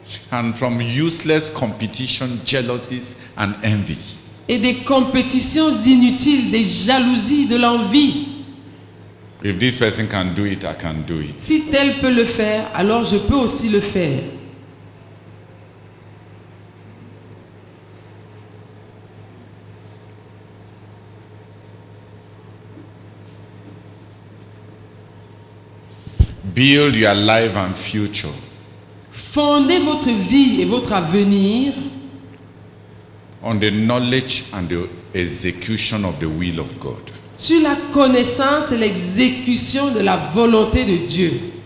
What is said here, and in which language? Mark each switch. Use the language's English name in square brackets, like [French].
[English] And from useless competition, jealousies, and envy. [French] Et des compétitions inutiles, des jalousies, de l'envie. [English] If this person can do it, I can do it. [French] Si tel peut le faire, alors je peux aussi le faire. [English] Build your life and future. [French] Fondez votre vie et votre avenir [English] on the knowledge and the execution of the will of God. [French] Sur la connaissance et l'exécution de la volonté de Dieu.